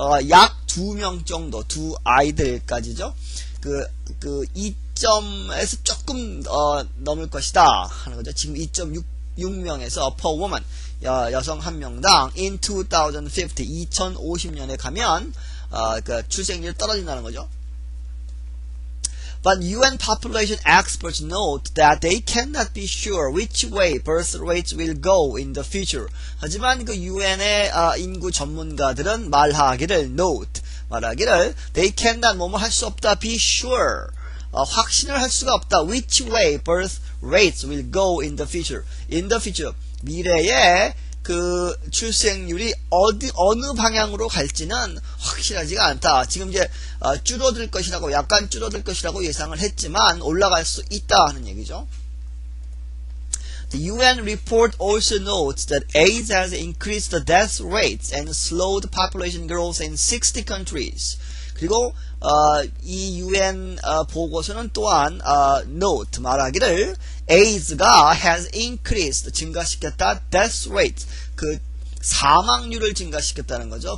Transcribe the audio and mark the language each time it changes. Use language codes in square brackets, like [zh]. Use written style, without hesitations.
[ko] 약 2명 정도, 두 아이들까지죠. 그 2점에서 조금 넘을 것이다 하는 거죠. 지금 2.6명에서 [en] per woman. [ko] 여성 한 명당 [en] in 2050, [ko] 2050년에 가면 그 출생률이 떨어진다는 거죠. [en] But UN population experts note that they cannot be sure which way birth rates will go in the future. [ko] 하지만 그 UN의 인구 전문가들은 말하기를 [en] note [ko] 말하기를 [en] they cannot [ko] 뭐뭐 할 수 없다 [en] be sure [ko] 확신을 할 수가 없다 [en] which way birth rates will go in the future. In the future [ko] 미래에 그 출생률이 어느 방향으로 갈지는 확실하지가 않다. 지금 이제 줄어들 것이라고 약간 줄어들 것이라고 예상을 했지만 올라갈 수 있다 하는 얘기죠. [en] The UN report also notes that AIDS has increased the death rates and slowed population growth in 60 countries. [ko] 그리고 이 UN 보고서는 또한 note 말하기를 AIDS가 [en] has increased [ko] 증가시켰다 [en] death rate [ko] 그 사망률을 증가시켰다는 거죠.